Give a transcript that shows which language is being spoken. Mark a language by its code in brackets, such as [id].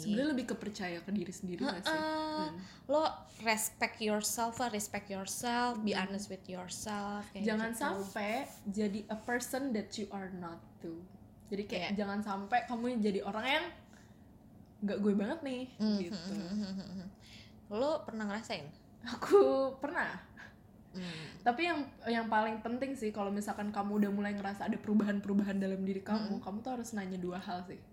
[id] Sebenarnya lebih kepercaya ke diri sendiri nggak sih? Lo [en] respect yourself, be honest with yourself. [id] Jangan gitu. Sampai jadi [en] a person that you are not too. [id] Jadi kayak jangan sampai kamu jadi orang yang nggak gue banget nih. Gitu. Lo pernah ngerasain? Aku pernah. Tapi yang paling penting sih, kalau misalkan kamu udah mulai ngerasa ada perubahan-perubahan dalam diri kamu, kamu tuh harus nanya dua hal sih.